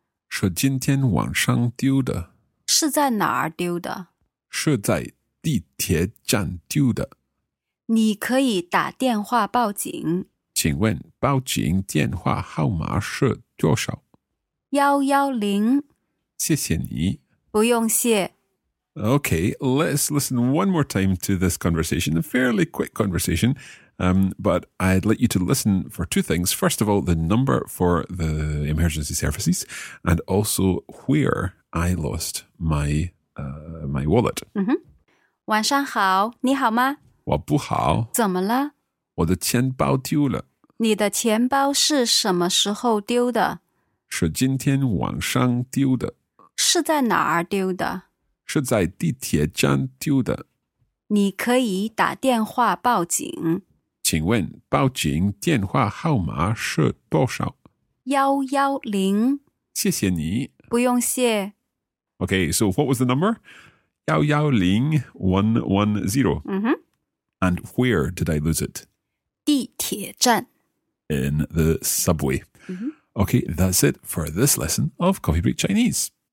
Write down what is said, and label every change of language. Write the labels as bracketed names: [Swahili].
[Chinese] 是今天晚上丢的。是在哪儿丢的? 是在地铁站丢的。你可以打电话报警。请问报警电话号码是多少 ?110。谢谢你。不用谢。 [English] Okay, let's listen one more time to this conversation, a fairly quick conversation, But I'd like you to listen for two things. First of all, the number for the emergency services, and also where I lost my my wallet. [Chinese] Mm-hmm. 晚上好，你好吗？我不好。怎么了？我的钱包丢了。你的钱包是什么时候丢的？是今天晚上丢的。是在哪儿丢的？是在地铁站丢的。你可以打电话报警。请问报警电话号码是多少？ 110。谢谢你。不用谢。 [English] Okay, so what was the number? 110110. Mm-hmm. And where did I lose it? [Chinese] 地铁站。 [English] In the subway. Mm-hmm. Okay, that's it for this lesson of Coffee Break Chinese.